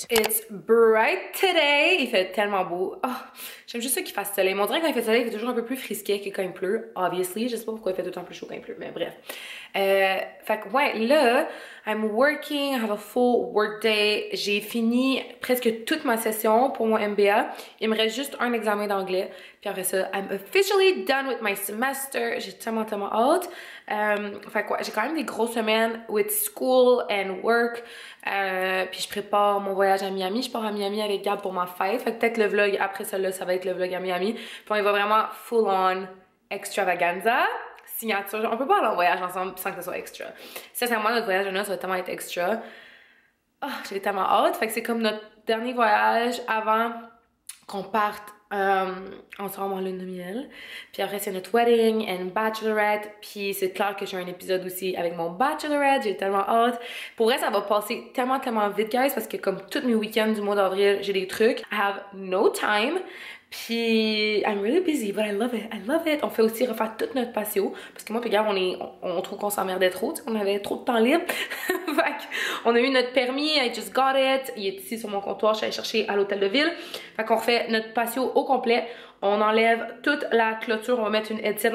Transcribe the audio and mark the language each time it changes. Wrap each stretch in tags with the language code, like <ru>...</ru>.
<en>It's bright today.</en> <fr>Il fait tellement beau. Oh, j'aime juste ça qu'il fasse soleil. Mon drap, quand il fait soleil, il fait toujours un peu plus frisquet que quand il pleut. Obviously. Je sais pas pourquoi il fait tout le temps plus chaud quand il pleut, mais bref. Fait que, ouais, là,</fr> <en>I'm working. I have a full work day.</en> <fr>J'ai fini presque toute ma session pour mon MBA. Il me reste juste un examen d'anglais. Puis après ça,</fr> <en>I'm officially done with my semester.</en> <fr>J'ai tellement, tellement hâte. Fait quoi, ouais, j'ai quand même des grosses semaines</fr> <en>with school and work.</en> <fr>Puis je prépare mon voyage à Miami. Je pars à Miami avec Gab pour ma fête. Fait que peut-être le vlog après celle-là, ça va être le vlog à Miami. Puis on va vraiment</fr> <en>full on extravaganza.</en> <fr>Signature. On peut pas aller en voyage ensemble sans que ce soit extra. Sincèrement, notre voyage de noces va tellement être extra. Oh, j'ai tellement hâte. Fait que c'est comme notre dernier voyage avant qu'on parte. On sort en lune de miel. Puis après, c'est notre</fr> <en>wedding and bachelorette.</en> <fr>Puis c'est clair que j'ai un épisode aussi avec mon bachelorette. J'ai tellement hâte. Pour vrai, ça va passer tellement, tellement vite, guys, parce que comme tous mes week-ends du mois d'avril, j'ai des trucs.</fr> <en>I have no time.</en> <fr>Puis,</fr> <en>I'm really busy, but I love it. I love it.</en> <fr>On fait aussi refaire tout notre patio. Parce que moi, puis gars, on trouve qu'on s'emmerdait trop. Tu sais, on avait trop de temps libre. Fait qu'on a eu notre permis.</fr> <en>I just got it.</en> <fr>Il est ici sur mon comptoir. Je suis allée chercher à l'hôtel de ville. Fait qu'on refait notre patio au complet. On enlève toute la clôture. On va mettre une headset.</fr>